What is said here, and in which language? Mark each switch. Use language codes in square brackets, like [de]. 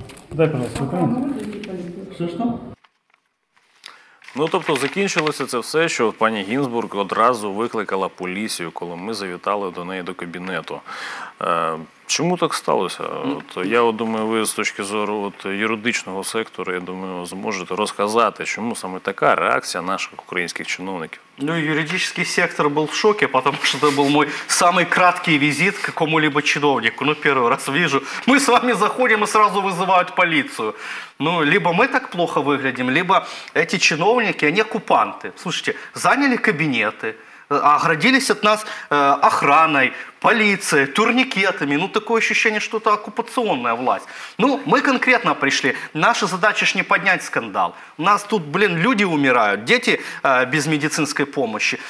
[ru] Дай, пожалуйста, документы. Все что? [uk] Ну, тобто, закінчилося це все, що пані Гінзбург одразу викликала поліцію, коли ми завітали до неї до кабінету. Чому так сталося? От, я думаю, ви з точки зору от, юридичного сектору, я думаю, зможете розказати, чому саме така реакція наших українських чиновників. Ну, юридичний сектор був в шокі, тому що це був мій найкраткий візит к якому-либо чиновнику. Ну, перший раз бачу, ми з вами заходимо і одразу викликають поліцію. [ru] Ну, либо мы так плохо выглядим, либо эти чиновники, они оккупанты. Слушайте, заняли кабинеты, оградились от нас охраной, полицией, турникетами. Ну, такое ощущение, что это оккупационная власть. Ну, мы конкретно пришли. Наша задача ж не поднять скандал. У нас тут, блин, люди умирают, дети без медицинской помощи.